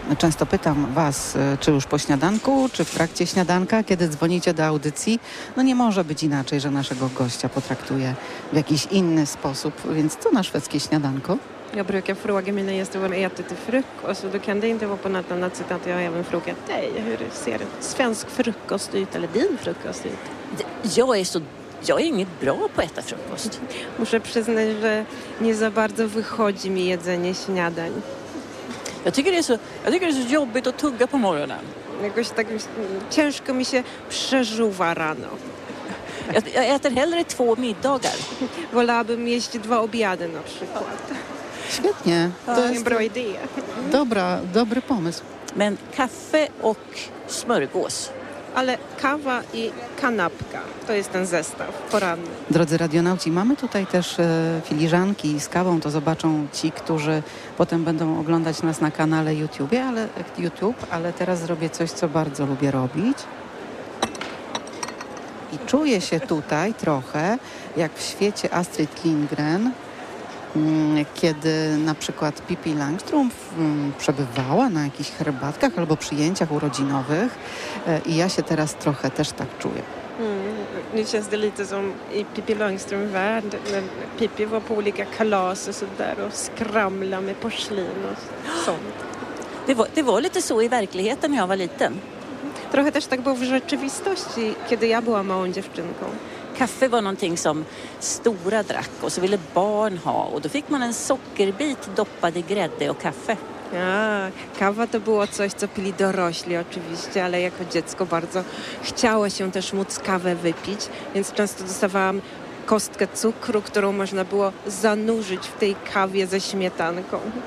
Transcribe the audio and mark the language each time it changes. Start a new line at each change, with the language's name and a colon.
Polish: Często pytam was, czy już po śniadanku, czy w trakcie śniadanka, kiedy dzwonicie do audycji. No nie może być inaczej, że naszego gościa potraktuje w jakiś inny sposób. Więc co na szwedzkie śniadanko?
Swedish: Ja brukar fråga mina gäster om äter till frukost. Och då kan det inte vara på något annat sätt att jag även frågar dig. Hur ser svensk frukost ut eller din frukost ut? Jag är inget bra på att äta frukost.
Polish: Muszę przyznać, że nie za bardzo wychodzi mi jedzenie śniadań.
Swedish: Jag tycker det är så jobbigt att tugga på morgonen.
Polish: Jakoś tak ciężko mi się przeżuwa rano.
Swedish: Jag äter hellre två middagar.
Polish: Wolałabym jeść dwa obiady na przykład. Świetnie. To jest
Swedish: bra idé.
Polish: Dobry pomysł.
Swedish: Men kaffe och smörgås.
Polish: Ale kawa i kanapka to jest ten zestaw poranny. Drodzy radionauci, mamy tutaj też filiżanki z kawą. To zobaczą ci, którzy potem będą oglądać nas na kanale YouTube, ale teraz zrobię coś, co bardzo lubię robić. I czuję się tutaj trochę jak w świecie Astrid Lindgren, kiedy na przykład Pippi Langstrump przebywała na jakichś herbatkach albo przyjęciach urodzinowych i ja się teraz trochę też tak czuję.
Swedish: Nu känns det lite som i Pippi Langstrump-värld, men Pippi var på olika kalas och sådär och skramla med porslin och sånt. Det var lite så i verkligheten när jag var liten.
Polish: Trochę też tak było w rzeczywistości, kiedy ja była małą dziewczynką.
Swedish: Kaffe var någonting som stora drack och så ville barn ha. Och då fick man en sockerbit doppad i grädde och kaffe.
Polish: Ja, kawa to było coś, co pili dorośli oczywiście, ale jako dziecko bardzo chciało się też móc kawę wypić, więc często dostawałam kostkę cukru, którą można było zanurzyć w tej kawie ze śmietanką.